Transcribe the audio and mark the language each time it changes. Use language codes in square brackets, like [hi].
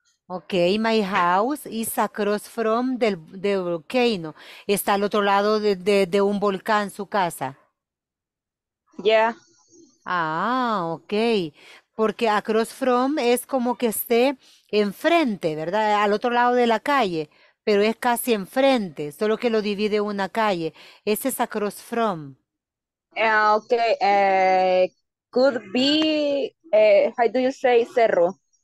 [en] Okay, my house is across from the volcano. [es] Está al otro lado de un volcán su casa. Ah, okay. Porque across from es como que esté enfrente, ¿verdad? Al otro lado de la calle, pero es casi enfrente, solo que lo divide una calle. Ese es across from. [en] Okay, could be, how do you say cerro?